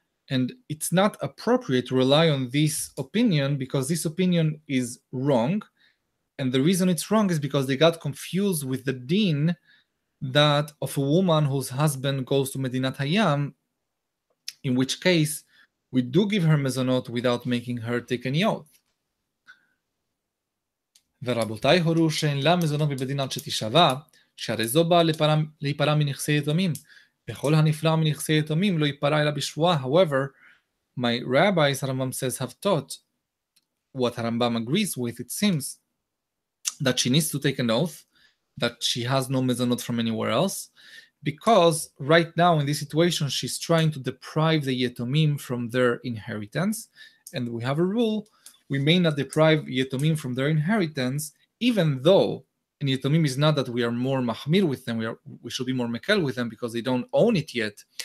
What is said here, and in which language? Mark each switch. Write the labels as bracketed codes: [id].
[en] And it's not appropriate to rely on this opinion because this opinion is wrong. And the reason it's wrong is because they got confused with the din that of a woman whose husband goes to Medinat Hayam, in which case we do give her mezonot without making her take any oath. [he] ורבותיי הורו שאין לה מזונות בבדין עד שתשווה, שהרי זו באה להיפרע מנכסי יתומים. בכל הנפלא מנכסי יתומים לא ייפרע אלא בשבועה. [en] However, my rabbis, הרמב״ם says, have taught what הרמב״ם agrees with, it seems, that she needs to take an oath, that she has no mezonot from anywhere else, because right now in this situation she's trying to deprive the yetomim from their inheritance, and we have a rule, we may not deprive yetomim from their inheritance, even though in yetomim is not that we are more mahmir with them, we should be more mekel with them because they don't own it yet.